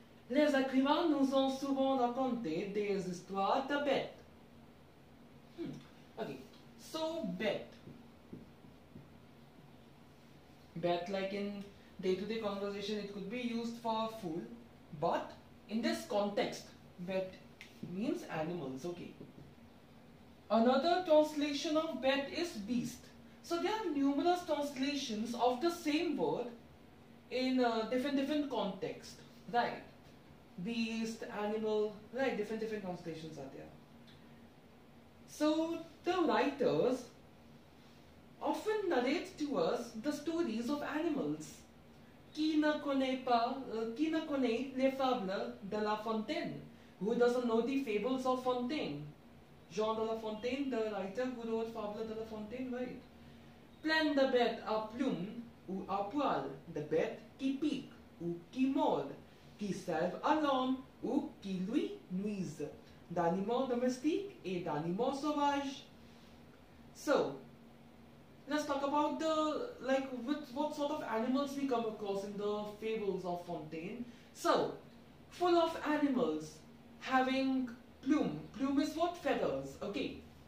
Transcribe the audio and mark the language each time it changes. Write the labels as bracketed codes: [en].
[fr] Les écrivains nous ont souvent raconté des histoires de bêtes. [en] Okay, so bête, like in day-to-day conversation, it could be used for a fool, but in this context, bête means animals, okay. Another translation of bête is beast. So there are numerous translations of the same word in different context, right? Beast, animal, right, different translations are there. So the writers often narrate to us the stories of animals. [fr] Qui ne connaît les fables de La Fontaine? [en] Who doesn't know the fables of Fontaine? Jean de La Fontaine, the writer who wrote Fables de La Fontaine, right? [fr] Plein de bêtes à plumes ou à poil, de bêtes qui piquent ou qui mordent, qui servent à l'homme ou qui lui nuisent, d'animaux domestiques et d'animaux sauvages. [en] So, let's talk about the, like, what sort of animals we come across in the fables of Fontaine. So, full of animals having plume. Plume is what? Feathers. Okay.